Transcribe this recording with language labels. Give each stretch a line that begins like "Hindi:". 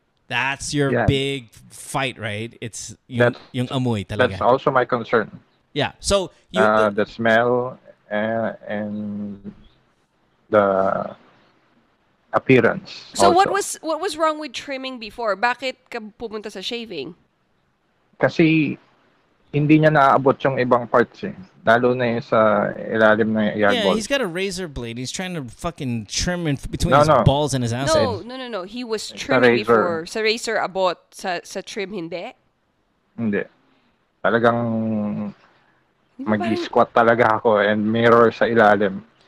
English: That's your big fight, right?
Filipino: It's yung amoy talaga.
English: That's also my concern. Yeah. So the smell and the appearance. So also. what was wrong with trimming before?
Filipino: Bakit ka pumunta sa shaving? Kasi hindi niya naaabot yung ibang parts eh. Lalo na yung sa ilalim ng yard
English: ball. He's got a razor blade. He's trying to fucking trim in between his balls and his ass. No. He was trimming before.
Filipino: Sa razor abot. Sa trim, hindi? Hindi. Talagang mag-squat talaga ako and mirror sa ilalim.